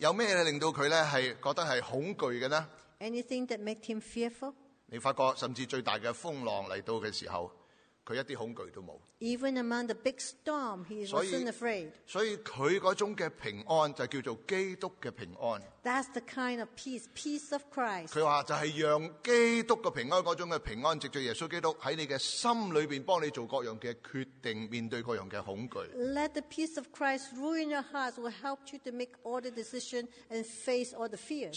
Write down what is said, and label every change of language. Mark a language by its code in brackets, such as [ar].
[zh] 有咩嘢令到佢咧系觉得系恐惧嘅呢？ [en] Anything that made him fearful? [zh] 你发觉甚至最大嘅风浪嚟到嘅时候，佢一啲恐懼都冇。 [en] Even among the big storm, he wasn't afraid. [zh] 所以佢嗰種嘅平安就叫做基督嘅平安。 [en] That's the kind of peace, peace of Christ. [zh] 佢話就係讓基督嘅平安嗰種嘅平安，藉著耶穌基督喺你嘅心裏邊幫你做各樣嘅決定，面對各樣嘅恐懼。 [en] Let the peace of Christ rule in your hearts, will help you to make all the decision and face all the fear.